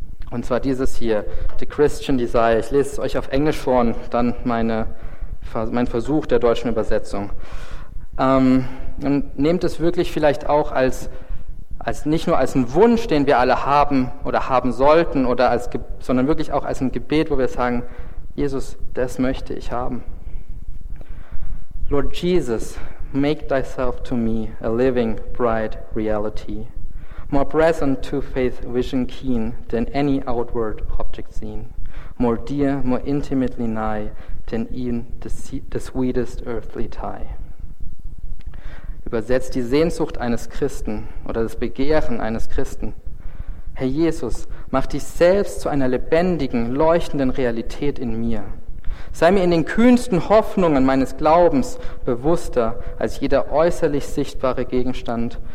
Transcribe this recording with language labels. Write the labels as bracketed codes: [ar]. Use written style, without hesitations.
[de] Und zwar dieses hier, [en] The Christian Desire. [de] Ich lese es euch auf Englisch vor und dann mein Versuch der deutschen Übersetzung. Und nehmt es wirklich vielleicht auch als nicht nur als einen Wunsch, den wir alle haben oder haben sollten, oder sondern wirklich auch als ein Gebet, wo wir sagen, Jesus, das möchte ich haben. [en] Lord Jesus, make thyself to me a living, bright reality, more present to faith vision keen than any outward object seen, more dear, more intimately nigh than e'en the sweetest earthly tie. [de] Übersetzt die Sehnsucht eines Christen oder das Begehren eines Christen. Herr Jesus, mach dich selbst zu einer lebendigen, leuchtenden Realität in mir. Sei mir in den kühnsten Hoffnungen meines Glaubens bewusster als jeder äußerlich sichtbare Gegenstand.